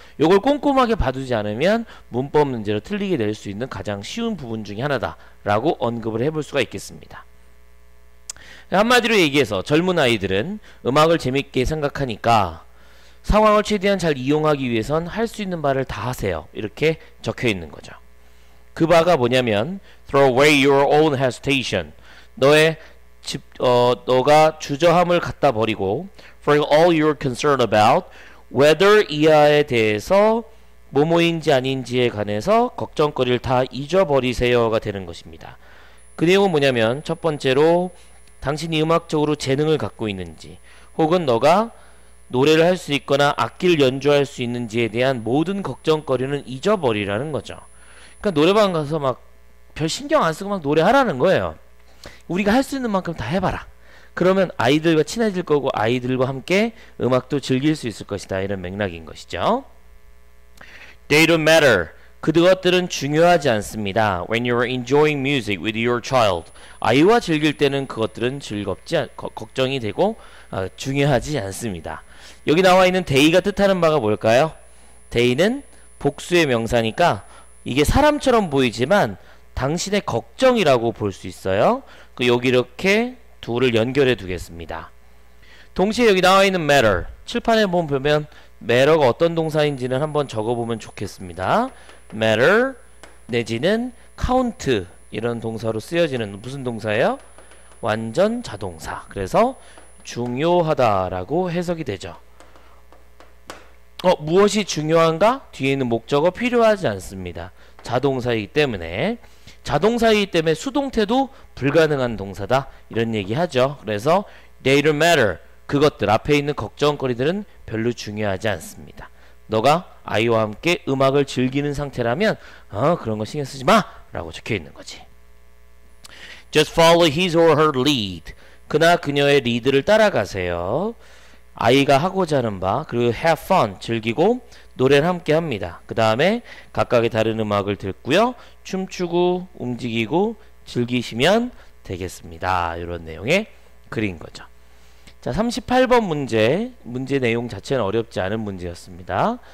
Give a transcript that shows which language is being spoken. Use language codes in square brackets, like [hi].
[ko] 이걸 꼼꼼하게 봐두지 않으면 문법 문제로 틀리게 될 수 있는 가장 쉬운 부분 중에 하나다 라고 언급을 해볼 수가 있겠습니다. 한마디로 얘기해서 젊은 아이들은 음악을 재밌게 생각하니까 상황을 최대한 잘 이용하기 위해선 할 수 있는 말을 다 하세요. 이렇게 적혀 있는 거죠. 그 바가 뭐냐면 [en] throw away your own hesitation. [ko] 너의 너가 주저함을 갖다 버리고 [en] for all you're concerned about whether [ko] 이하에 대해서 뭐뭐인지 아닌지에 관해서 걱정거리를 다 잊어버리세요가 되는 것입니다. 그 내용은 뭐냐면 첫 번째로 당신이 음악적으로 재능을 갖고 있는지 혹은 너가 노래를 할 수 있거나 악기를 연주할 수 있는지에 대한 모든 걱정거리는 잊어버리라는 거죠. 그러니까 노래방 가서 막 별 신경 안 쓰고 막 노래하라는 거예요. 우리가 할 수 있는 만큼 다 해봐라. 그러면 아이들과 친해질 거고 아이들과 함께 음악도 즐길 수 있을 것이다. 이런 맥락인 것이죠. [en] They don't matter. [ko] 그것들은 중요하지 않습니다. [en] When you're enjoying music with your child. [ko] 아이와 즐길 때는 그것들은 즐겁지 걱정이 되고 중요하지 않습니다. 여기 나와 있는 데이가 뜻하는 바가 뭘까요? 데이는 복수의 명사니까 이게 사람처럼 보이지만 당신의 걱정이라고 볼 수 있어요. 여기 이렇게 둘을 연결해 두겠습니다. 동시에 여기 나와 있는 matter 칠판에 보면 matter가 어떤 동사인지는 한번 적어보면 좋겠습니다. matter 내지는 count 이런 동사로 쓰여지는 무슨 동사예요? 완전 자동사. 그래서 중요하다라고 해석이 되죠. 무엇이 중요한가? 뒤에 있는 목적어 필요하지 않습니다. 자동사이기 때문에 자동사이기 때문에 수동태도 불가능한 동사다 이런 얘기하죠. 그래서 [en] they don't matter [ko] 그것들 앞에 있는 걱정거리들은 별로 중요하지 않습니다. 너가 아이와 함께 음악을 즐기는 상태라면 그런 거 신경 쓰지 마! 라고 적혀 있는 거지. [en] Just follow his or her lead. [ko] 그나 그녀의 리드를 따라가세요. 아이가 하고자 하는 바, 그리고 [en] have fun, [ko] 즐기고 노래를 함께 합니다. 그 다음에 각각의 다른 음악을 듣고요. 춤추고 움직이고 즐기시면 되겠습니다. 이런 내용의 글인 거죠. 자, 38번 문제 내용 자체는 어렵지 않은 문제였습니다.